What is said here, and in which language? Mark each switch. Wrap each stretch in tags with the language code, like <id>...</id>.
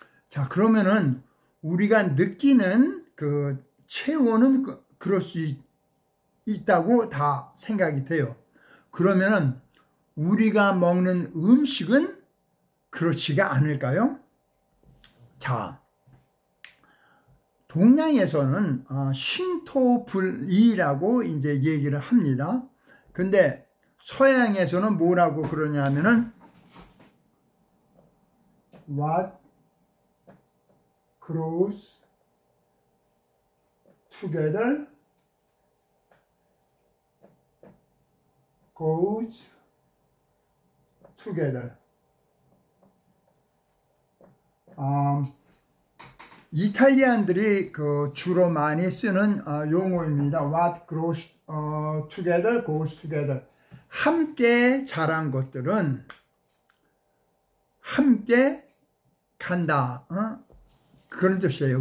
<ko>자, 그러면은 우리가 느끼는 그 체온은 그럴 수 있다고 다 생각이 돼요. 그러면 우리가 먹는 음식은 그렇지가 않을까요? 자, 동양에서는 신토불이라고 이제 얘기를 합니다. 근데 서양에서는 뭐라고 그러냐면은</ko> <en>what grows together goes together.</en> <ko>이탈리안들이 주로 많이 쓰는 용어입니다.</ko> <en>What grows together goes together.</en> <ko>함께 자란 것들은 함께 간다. 그런 뜻이에요.</ko>